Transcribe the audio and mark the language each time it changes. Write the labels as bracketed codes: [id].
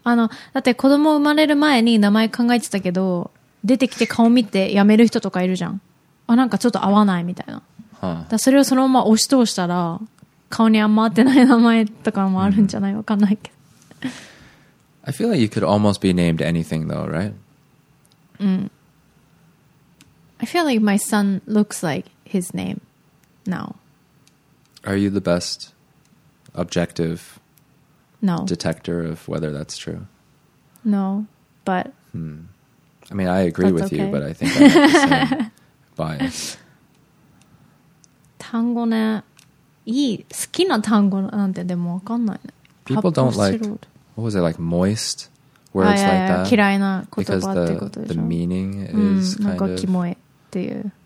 [ja] あの、だって子供生まれる前に名前考えてたけど、出てきて顔見て辞める人とかいるじゃん。あ、なんかちょっと合わないみたいな。 Huh. だそれをそのまま押し通したら、顔にあんま合ってない名前とかもあるんじゃない、わかんないけど。 [en] I feel like you could almost be named anything though, right? I feel like my son looks like his name now. Are you the best objective No. detector of whether that's true? No, but... I mean, I agree with you, but I think I'm the same bias. [ja] 単語ね。いい好きな単語なんてでもわかんないね。 [en] People don't like what was it like moist words like that. [ja] 嫌いな言葉ってことでしょ。 [en] The meaning is kind [ja] of なんかキモいっていう。